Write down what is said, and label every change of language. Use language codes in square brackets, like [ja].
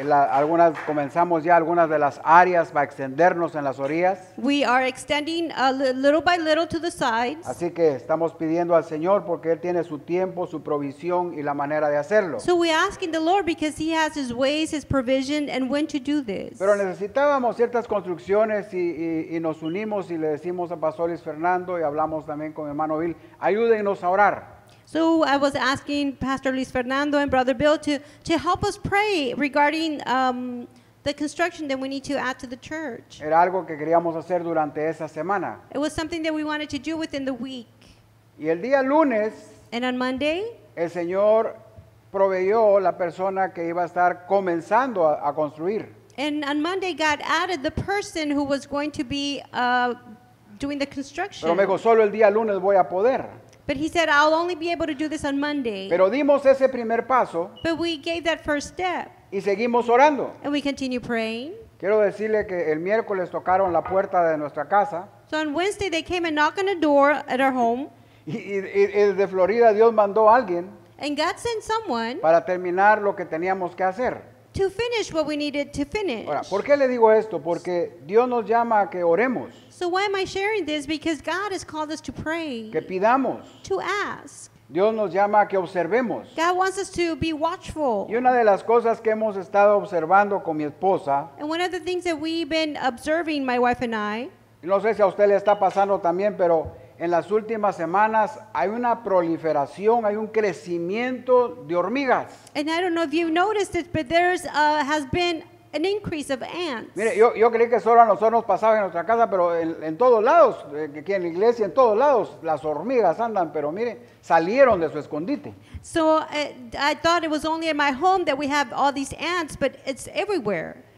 [es] Algunas comenzamos ya algunas de las áreas para extendernos en las orillas. [en] We are extending little by little to the sides. [es] Así que estamos pidiendo al Señor porque Él tiene su tiempo, su provisión y la manera de hacerlo. [en] So we're asking the Lord because He has His ways, His provision, and when to do this. [es] Pero necesitábamos ciertas construcciones y nos unimos y le decimos a Pastor Luis Fernando y hablamos también con hermano Bill, ayúdenos a orar. [en] So I was asking Pastor Luis Fernando and Brother Bill to help us pray regarding the construction that we need to add to the church. [es] Era algo que queríamos hacer durante esa semana. [en] It was something that we wanted to do within the week. [es] Y el día lunes, [en] and on Monday, [es] el Señor proveyó la persona que iba a estar comenzando a construir. [en] And on Monday, God added the person who was going to be doing the construction. [es] Pero me dijo, solo el día lunes voy a poder. [en] But he said, I'll only be able to do this on Monday. [es] Pero dimos ese primer paso. [en] But we gave that first step. [es] Y seguimos orando. [en] And we continue praying. [es] Quiero decirle que el miércoles tocaron la puerta de nuestra casa. [en] So on Wednesday they came and knocked on the door at our home. [es] Y de Florida Dios mandó a alguien. [en] And God sent someone. [es] Para terminar lo que teníamos que hacer. [en] To finish what we needed to finish. [es] Ahora, ¿por qué le digo esto? Porque Dios nos llama a que oremos. [en] So why am I sharing this? Because God has called us to pray. [es] Que pidamos. [en] To ask. [es] Dios nos llama a que observemos. [en] God wants us to be watchful. [es] Y una de las cosas que hemos estado observando con mi esposa. [en] And one of the things that we've been observing, my wife and I. [es] Y no sé si a usted le está pasando también, pero en las últimas semanas hay una proliferación, hay un crecimiento de hormigas. [en] And I don't know if you've noticed it, but there's has been an increase of ants. [es] Mire, yo creí que solo a nosotros nos pasaba en nuestra casa, pero en todos lados, aquí en la iglesia, en todos lados, las hormigas andan, pero mire, salieron de su escondite. [en] So I thought it was only in my home that we have all these ants, but it's everywhere.